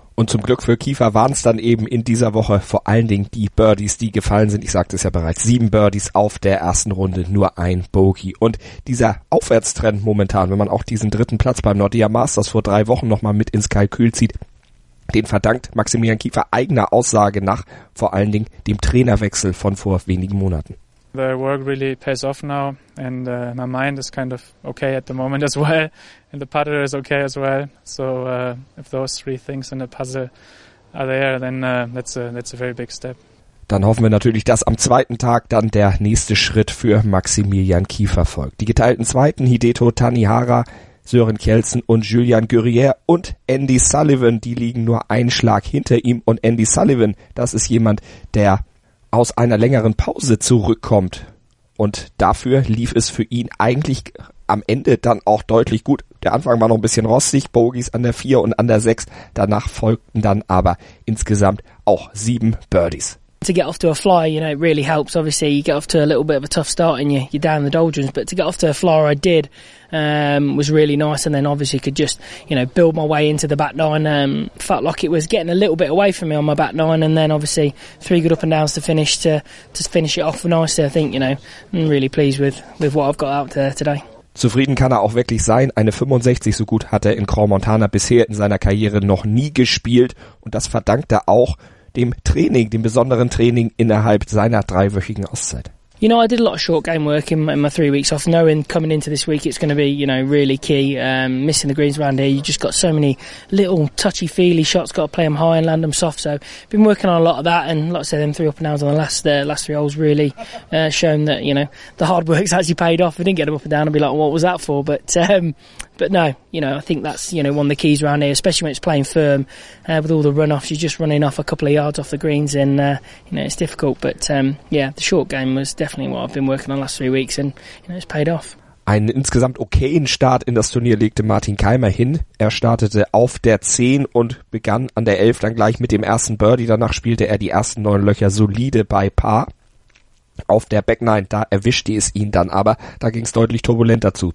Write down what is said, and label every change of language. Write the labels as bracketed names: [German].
[German] Und zum Glück für Kiefer waren es dann eben in dieser Woche vor allen Dingen die Birdies, die gefallen sind. Ich sagte es ja bereits, 7 Birdies auf der ersten Runde, nur ein Bogie. Und dieser Aufwärtstrend momentan, wenn man auch diesen 3. Platz beim Nordea Masters vor 3 Wochen nochmal mit ins Kalkül zieht, den verdankt Maximilian Kiefer eigener Aussage nach vor allen Dingen dem Trainerwechsel von vor wenigen Monaten. [English] The work really pays off now and my mind is kind of okay at the moment as well and the putter is okay as well. So if those 3 things in the puzzle are there, then that's a very big step. [German] Dann hoffen wir natürlich, dass am 2. Tag dann der nächste Schritt für Maximilian Kiefer folgt. Die geteilten 2. Hideto Tanihara, Søren Kjeldsen und Julien Gurrier und Andy Sullivan, die liegen nur einen Schlag hinter ihm. Und Andy Sullivan, das ist jemand, der aus einer längeren Pause zurückkommt. Und dafür lief es für ihn eigentlich am Ende dann auch deutlich gut. Der Anfang war noch ein bisschen rostig, Bogies an der 4 und an der 6. Danach folgten dann aber insgesamt auch 7 Birdies. [English] To get off to a flyer, you know, it really helps. Obviously, you get off to a little bit of a tough start and you're down the doldrums. But to get off to a flyer, I did, was really nice. And then obviously could just, you know, build my way into the back nine. Felt like it was getting a little bit away from me on my back nine. And then obviously 3 good up and downs to finish it off nicely. I think, you know, I'm really pleased with what I've got out there today. [German] Zufrieden kann er auch wirklich sein. Eine 65 so gut hat er in Crans Montana bisher in seiner Karriere noch nie gespielt. Und das verdankt er auch dem Training, dem besonderen Training innerhalb seiner 3-wöchigen Auszeit. [English] You know, I did a lot of short game work in my 3 weeks off, knowing coming into this week it's going to be, you know, really key. Missing the greens around here, you just got so many little touchy feely shots, got to play them high and land them soft. So, been working on a lot of that, and like I said, them 3 up and downs on the last 3 holes really shown that, you know, the hard work's actually paid off. I didn't get them up and down and be like, what was that for? But no, you know, I think that's, you know, one of the keys around here, especially when it's playing firm with all the runoffs. You're just running off a couple of yards off the greens and, you know, it's difficult. But yeah, the short game was definitely what I've been working on the last 3 weeks and, you know, it's paid off. [German] Einen insgesamt okayen Start in das Turnier legte Martin Keimer hin. Er startete auf der 10 und begann an der 11 dann gleich mit dem ersten Birdie. Danach spielte er die ersten 9 Löcher solide bei Par. Auf der Back 9, da erwischte es ihn dann aber, da ging es deutlich turbulenter zu.